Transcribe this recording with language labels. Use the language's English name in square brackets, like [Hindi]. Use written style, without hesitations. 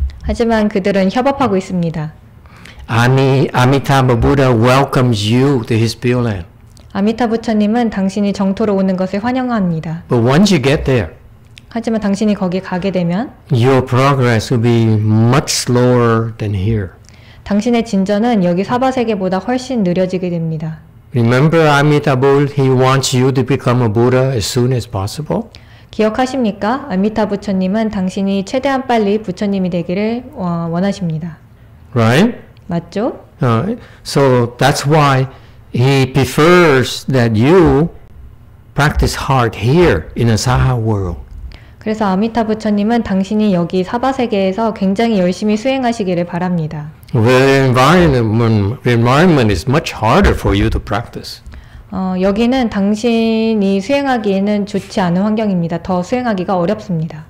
[Korean] 하지만 그들은 협업하고 있습니다. [English] Amitabha Buddha welcomes you to his pure land. [Korean] 아미타 부처님은 당신이 정토로 오는 것을 환영합니다. [English] But once you get there, [Korean] 하지만 당신이 거기 가게 되면, [English] your progress will be much slower than here. [Korean] 당신의 진전은 여기 사바세계보다 훨씬 느려지게 됩니다. [English] Remember Amitabha Buddha, he wants you to become a Buddha as soon as possible. [Korean] 기억하십니까? 아미타 부처님은 당신이 최대한 빨리 부처님이 되기를 원하십니다. [English] Right? [Korean] 맞죠? [English] So that's why he prefers that you practice hard here in a Saha world. [Korean] 그래서 아미타 부처님은 당신이 여기 사바세계에서 굉장히 열심히 수행하시기를 바랍니다. [English] The environment is much harder for you to practice. [Korean] 여기는 당신이 수행하기에는 좋지 않은 환경입니다. 더 수행하기가 어렵습니다.